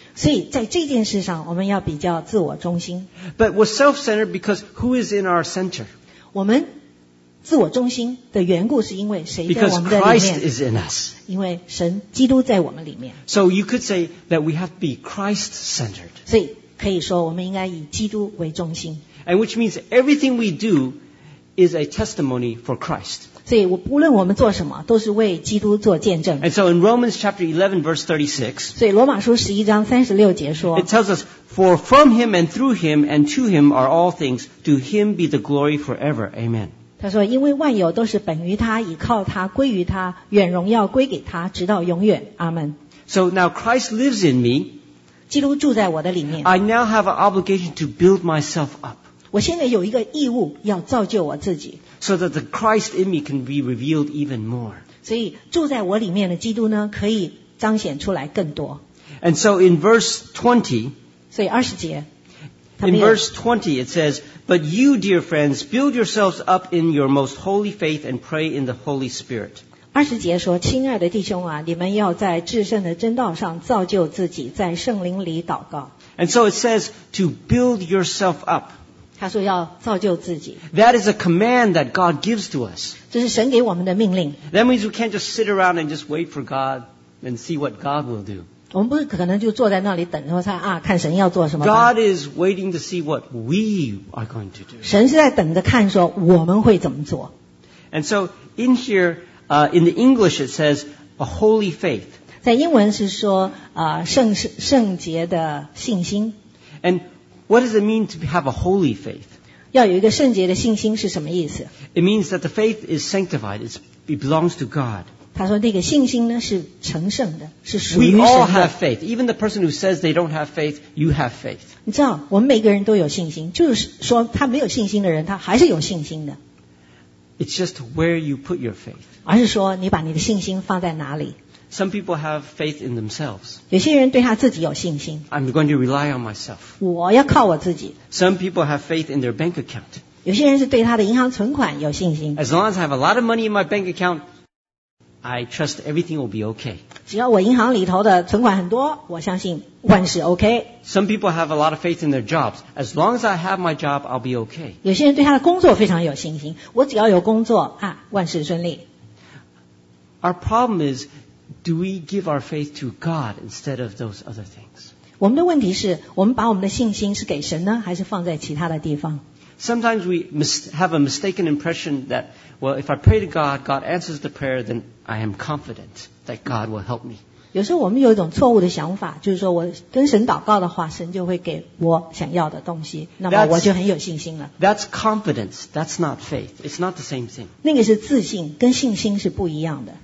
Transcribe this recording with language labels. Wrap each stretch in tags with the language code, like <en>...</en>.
<zh>所以在这件事上我们要比较自我中心</zh> <en>But we're self-centered because who is in our center?</en> <zh>我们自我中心的缘故是因为谁在我们的里面</zh> <en>Because Christ is in us.</en> <zh>因为神基督在我们里面</zh> <en>So you could say that we have to be Christ-centered.</en> <zh>所以可以说我们应该以基督为中心</zh> <en>And which means everything we do is a testimony for Christ.</en> <zh>所以无论我们做什么都是为基督做见证</zh> <en>And so in Romans chapter 11 verse 36</en> <zh>所以罗马书11章36节说</zh> <en>It tells us For from him and through him and to him are all things To him be the glory forever, Amen</en> <zh>他说因为万有都是本于他倚靠他归于他愿荣耀归给他直到永远 Amen</zh> <en>So now Christ lives in me</en> <zh>基督住在我的里面</zh> <en>I now have an obligation to build myself up</en> <zh>我现在有一个义务要造就我自己</zh> <en>So that the Christ in me can be revealed even more.</en> <zh>所以住在我里面的基督呢可以彰显出来更多。</zh> <en>And so in verse 20,</en> <zh>所以二十节,</zh> <en>in verse 20 it says, But you, dear friends, build yourselves up in your most holy faith and pray in the Holy Spirit.</en> <zh>二十节说,亲爱的弟兄啊,你们要在至圣的真道上造就自己,在圣灵里祷告。</zh> <en>And so it says, to build yourself up.</en> <zh>他说要造就自己。</zh> <en>That is a command that God gives to us.</en> <zh>这是神给我们的命令。</zh> <en>That means we can't just sit around and just wait for God and see what God will do.</en> <zh>我们不是可能就坐在那里等着他啊，看神要做什么。</zh> <en>God is waiting to see what we are going to do.</en> <zh>神是在等着看说我们会怎么做。</zh> <en>And so in here, in the English it says a holy faith.</en> <zh>在英文是说圣洁的信心。</zh> <en>And What does it mean to have a holy faith?</en> <zh>要有一个圣洁的信心是什么意思?</zh> <en>It means that the faith is sanctified. It belongs to God.</en> <zh>他说那个信心呢是成圣的，是属于神的。</zh> <en>We all have faith. Even the person who says they don't have faith, you have faith.</en> <zh>你知道，我们每个人都有信心，就是说他没有信心的人，他还是有信心的。</zh> <en>It's just where you put your faith.</en> <zh>而是说你把你的信心放在哪里。</zh> <en>Some people have faith in themselves.</en> <zh>有些人对他自己有信心。</zh> <en>I'm going to rely on myself.</en> <zh>我要靠我自己。</zh> <en>Some people have faith in their bank account.</en> <zh>有些人是对他的银行存款有信心。</zh> <en>As long as I have a lot of money in my bank account, I trust everything will be okay.</en> <zh>只要我银行里头的存款很多，我相信万事 OK。</zh> <en>Some people have a lot of faith in their jobs. As long as I have my job, I'll be okay.</en> <zh>有些人对他的工作非常有信心。我只要有工作啊，万事顺利。</zh> <en>Our problem is,Do we give our faith to God instead of those other things?</en> <zh>我们的问题是我们把我们的信心是给神呢还是放在其他的地方</zh> <en>Sometimes we have a mistaken impression that, well, if I pray to God, God answers the prayer, then I am confident that God will help me.</en> <zh>有时候我们有一种错误的想法，就是说我跟神祷告的话，神就会给我想要的东西，那么我就很有信心了。</zh> <en>That's confidence. That's not faith. It's not the same thing.</en> <zh>那个是自信，跟信心是不一样的。</zh>